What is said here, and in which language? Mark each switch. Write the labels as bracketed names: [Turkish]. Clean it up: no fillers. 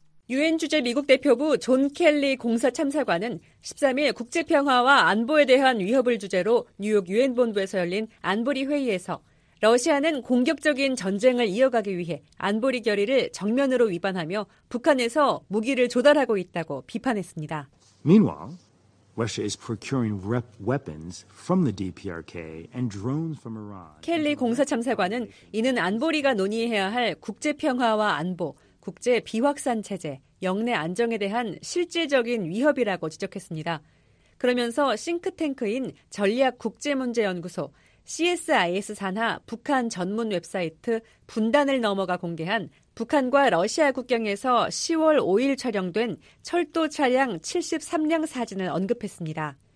[Korean] 유엔 주재 미국 대표부 존 켈리 공사 참사관은 13일 국제평화와 안보에 대한 위협을 주제로 뉴욕 유엔 본부에서 열린 안보리 회의에서 러시아는 공격적인 전쟁을 이어가기 위해 안보리 결의를 정면으로 위반하며 북한에서 무기를 조달하고 있다고 비판했습니다. [English] Meanwhile, Russia is procuring weapons from the DPRK and drones from Iran. [Korean] 켈리 공사 참사관은 이는 안보리가 논의해야 할 국제 평화와 안보, 국제 비확산 체제, 영내 안정에 대한 실질적인 위협이라고 지적했습니다. 그러면서 싱크탱크인 전략 국제 문제 연구소 CSIS 산하 북한 전문 웹사이트 분단을 넘어가 공개한 북한과 러시아 국경에서 10월 5일 촬영된 철도 차량 73량 사진을 언급했습니다.